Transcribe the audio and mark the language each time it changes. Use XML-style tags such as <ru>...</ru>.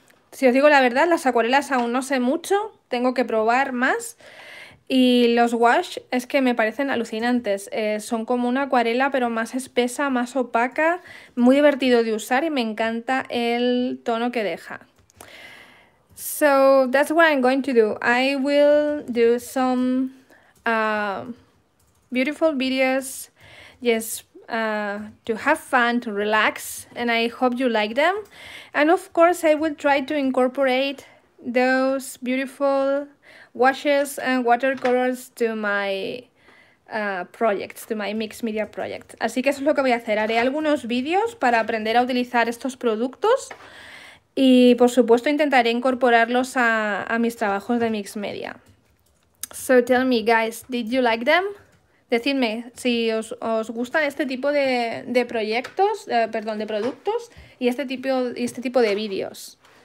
<es>Si os digo la verdad, las acuarelas aún no sé mucho, tengo que probar más. Y los wash es que me parecen alucinantes. Son como una acuarela, pero más espesa, más opaca, muy divertido de usar y me encanta el tono que deja.</es> <en>So, that's what I'm going to do. I will do some beautiful videos, yes, to have fun, to relax, and I hope you like them. And of course, I will try to incorporate those beautiful washes and watercolors to my projects, to my mixed media project.</en> <es>Así que eso es lo que voy a hacer. Haré algunos vídeos para aprender a utilizar estos productos y, por supuesto, intentaré incorporarlos a mis trabajos de mixed media.</es> <en>So tell me, guys, did you like them?</en> <es>Decidme si os gustan este tipo de proyectos, perdón, de productos y este tipo de vídeos.</es>